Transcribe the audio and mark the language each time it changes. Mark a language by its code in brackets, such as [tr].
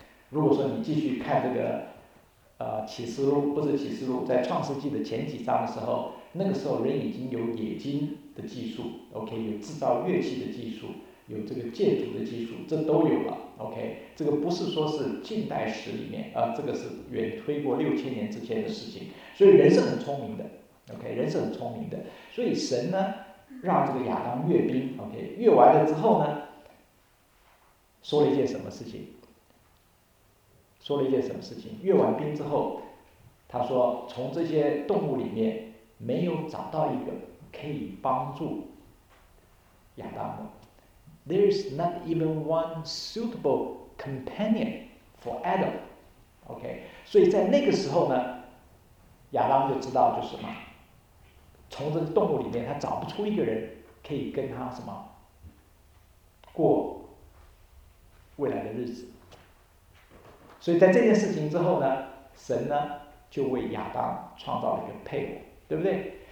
[zh] 如果说你继续看这个。启示录不是启示录，在创世纪的前几章的时候，那个时候人已经有冶金的技术 ，OK， 有制造乐器的技术，有这个建筑的技术，这都有了 ，OK， 这个不是说是近代史里面，这个是远推过六千年之前的事情，所以人是很聪明的 ，OK， 人是很聪明的，所以神呢让这个亚当阅兵 ，OK， 阅完了之后呢，说了一件什么事情？说了一件什么事情？阅完兵之后，他说：“从这些动物里面，没有找到一个可以帮助亚当的。 [en] There is not even one suitable companion for Adam. [zh] OK， 所以在那个时候呢，亚当就知道就是什么，从这个动物里面，他找不出一个人可以跟他什么过未来的日子。” 所以在这件事情之后呢，神呢就为亚当创造了一个配偶，对不对？